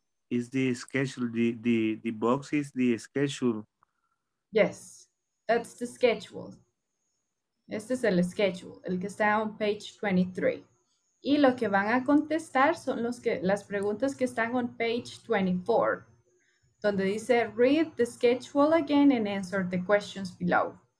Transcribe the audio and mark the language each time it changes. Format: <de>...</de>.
<en>Is the schedule, the box is the schedule? Yes, that's the schedule.</en> <es>Este es el schedule, el que está</es> <en>on page 23.</en> <es>Y lo que van a contestar son las preguntas que están</es> <en>on page 24.</en> <es>Donde dice,</es> <en>read the schedule again and answer the questions below.</en>